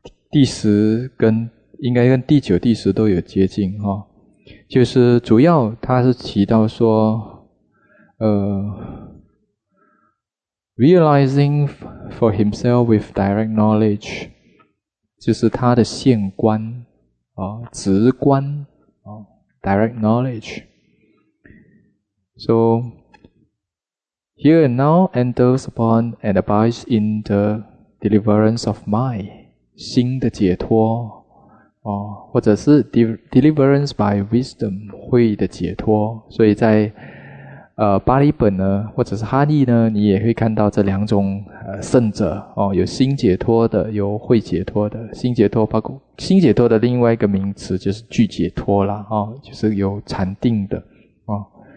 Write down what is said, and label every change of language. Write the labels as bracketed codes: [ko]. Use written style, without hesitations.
[zh] 地势跟应该跟第九地势都有接近哈，就是主要它是提到说。 [en] realizing for himself with direct knowledge， [zh] 就是他的现观啊，直观啊， [en] direct knowledge。 So here and now enters upon and abides in the deliverance of mind， [zh] 心的解脱啊，或者是 [en] deliverance by wisdom， [zh] 慧的解脱。所以在巴利本呢，或者是哈利呢，你也会看到这两种圣者哦，有心解脱的，有慧解脱的。心解脱包括心解脱的另外一个名词就是具解脱啦，哦，就是有禅定的哦。